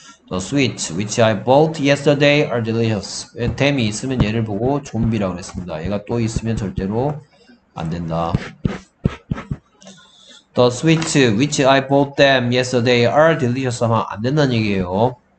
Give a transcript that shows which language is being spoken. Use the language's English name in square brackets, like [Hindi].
[English] The sweets which I bought yesterday are delicious. [Korean] 댐이 있으면 얘를 보고 좀비라고 했습니다. 얘가 또 있으면 절대로 안 된다. [English] The sweets which I bought them yesterday are delicious [Korean] 하면 안 된다는 얘기예요.